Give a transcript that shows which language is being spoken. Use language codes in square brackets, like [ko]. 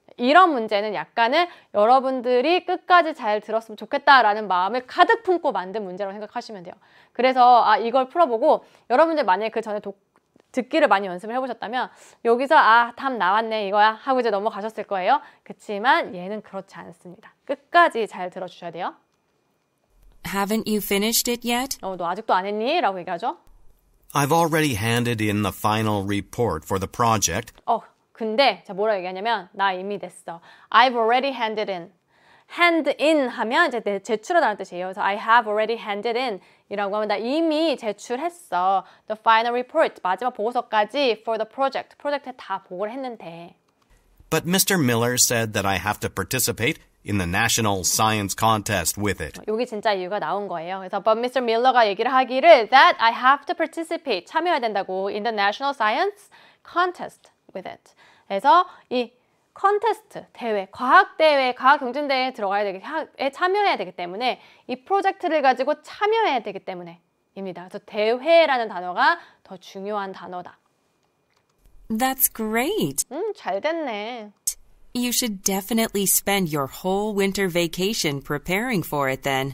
[ko] 이런 문제는 약간은 여러분들이 끝까지 잘 들었으면 좋겠다라는 마음을 가득 품고 만든 문제라고 생각하시면 돼요. 그래서 아 이걸 풀어보고 여러분들 만약에 그 전에 듣기를 많이 연습을 해보셨다면 여기서 아 답 나왔네 이거야 하고 이제 넘어가셨을 거예요. 그치만 얘는 그렇지 않습니다. 끝까지 잘 들어주셔야 돼요. [en] Haven't you finished it yet? [ko] 어, 너 아직도 안 했니? 라고 얘기하죠. [en] I've already handed in the final report for the project. 어. [ko] 근데 자 뭐라고 얘기하냐면 나 이미 냈어. [en] I've already handed in. Hand in [ko] 하면 이제 제출하다는 뜻이에요. 그래서 [en] I have already handed in [ko] 이라고 하면 나 이미 제출했어. [en] The final report, [ko] 마지막 보고서까지 [en] for the project. [ko] 프로젝트에 다 보고를 했는데. [en] But Mr. Miller said that I have to participate in the national science contest with it. [ko] 여기 진짜 이유가 나온 거예요. 그래서 [en] But Mr. Miller가 [ko] 얘기를 하기를 [en] that I have to participate, [ko] 참여해야 된다고 [en] in the national science contest. With it. [ko] 그래서 이 컨테스트, 대회, 과학 대회, 과학 경쟁대회에 들어가야 되기, 참여해야 되기 때문에 이 프로젝트를 가지고 참여해야 되기 때문에입니다. 그래서 대회라는 단어가 더 중요한 단어다. [en] That's great. [ko] 잘 됐네. [en] You should definitely spend your whole winter vacation preparing for it then.